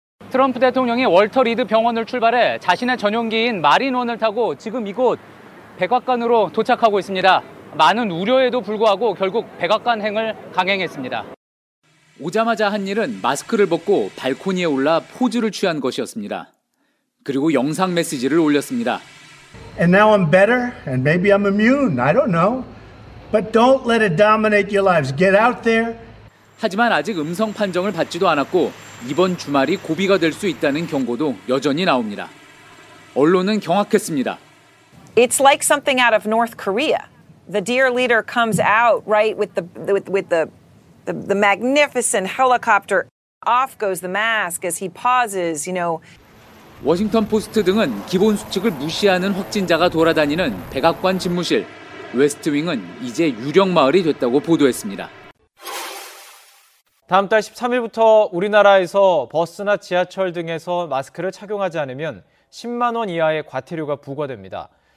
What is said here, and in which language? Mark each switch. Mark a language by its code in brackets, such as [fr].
[ko] 트럼프 대통령이 월터리드 병원을 출발해 자신의 전용기인 마린1을 타고 지금 이곳 백악관으로 도착하고 있습니다. 많은 우려에도 불구하고 결국 백악관 행을 강행했습니다. 오자마자 한 일은 마스크를 벗고 발코니에 올라 포즈를 취한 것이었습니다. 그리고 영상 메시지를 올렸습니다. [en] And now I'm better and maybe I'm immune. I don't know. But don't let it dominate your lives. Get out there. [ko] 하지만 아직 음성 판정을 받지도 않았고 이번 주말이 고비가 될 수 있다는 경고도 여전히 나옵니다. 언론은 경악했습니다. [en] It's like something out of North Korea. The dear leader comes out right with the magnificent helicopter. Off goes the mask as he pauses, you know. [ko] 워싱턴 포스트 등은 기본 수칙을 무시하는 확진자가 돌아다니는 백악관 집무실, 웨스트 윙은 이제 유령 마을이 됐다고 보도했습니다. 다음 달 13일부터 우리나라에서 버스나 지하철 등에서 마스크를 착용하지 않으면 10만 원 이하의 과태료가 부과됩니다.